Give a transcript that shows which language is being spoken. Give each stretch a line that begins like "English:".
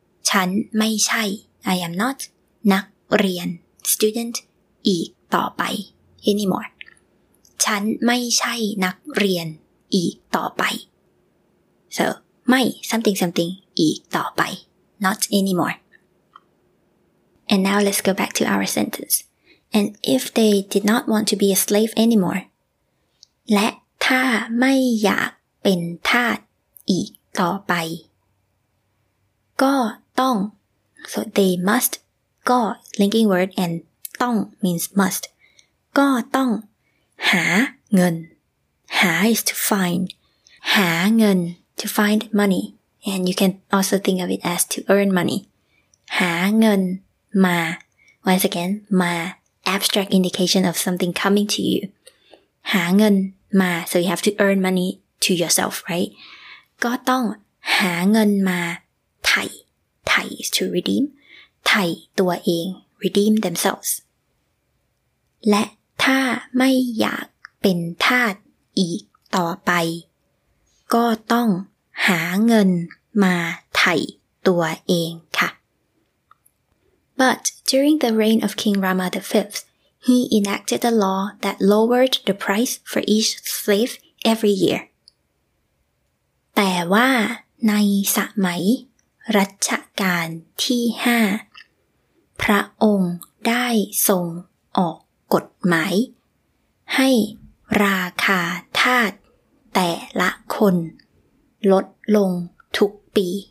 English: ฉันไม่ใช่ I am not นักเรียน student อีกต่อไป anymore
Thai: ฉันไม่ใช่นักเรียนอีกต่อไป
English: So my something something อีกต่อไปNot anymore. And now let's go back to our sentence. And if they did not want to be a slave anymore.
Thai: และถ้าไม่อยากเป็นทาสอีกต่อไปก็ต้อง
English: So they must. ก็ linking word and ต้อง means must.
Thai: ก็ต้องหาเงิน หา
English: is to find.
Thai: หาเงิน
English: to find money. And you can also think of it as to earn money.
Thai: หาเงินมา
English: Once again, มา abstract indication of something coming to you. หาเงินมา So you have to earn money to yourself, right?
Thai: ก็ต้องหาเงินมาไถ่ไถ่
English: is to redeem.
Thai: ไถ่ตัวเอง
English: redeem themselves.
Thai: และถ้าไม่อยากเป็นทาสอีกต่อไปก็ต้องหาเงินมาไถ่ตัวเองค่ะ
English: But during the reign of King Rama the Fifth, he enacted a law that lowered the price for each slave every year.
Thai: แต่ว่าในสมัยรัชกาลที่ห้าพระองค์ได้ ได้ส่งออกกฎหมายให้ราคาทาสแต่ละคนลดลงทุกปี